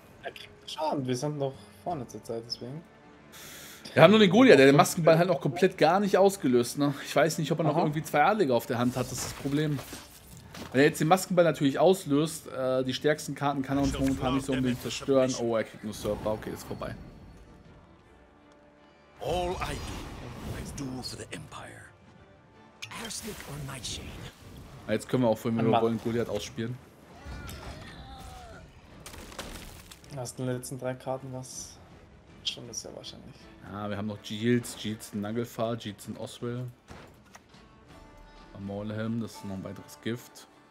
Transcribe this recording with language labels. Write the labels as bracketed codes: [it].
[de] Er kriegt Schaden, wir sind noch vorne zur Zeit, deswegen. Wir haben nur den Goliath, der den Maskenball halt noch komplett gar nicht ausgelöst. Ne? Ich weiß nicht, ob er noch irgendwie zwei Adlige auf der Hand hat, das ist das Problem. Wenn er jetzt den Maskenball natürlich auslöst, die stärksten Karten kann er uns momentan nicht so unbedingt zerstören. Oh, er kriegt nur Surfer. Okay, ist vorbei. [en] All I do, is do for the Empire. Arsenic or Nightshade. [de] Jetzt können wir auch, wenn wir wollen, Goliath ausspielen. Hast du in den letzten drei Karten was? Schon ist ja wahrscheinlich. Ja, wir haben noch Giles, Giles in Nagelfahr, Giles in Oswell. Maulhelm, das ist noch ein weiteres Gift.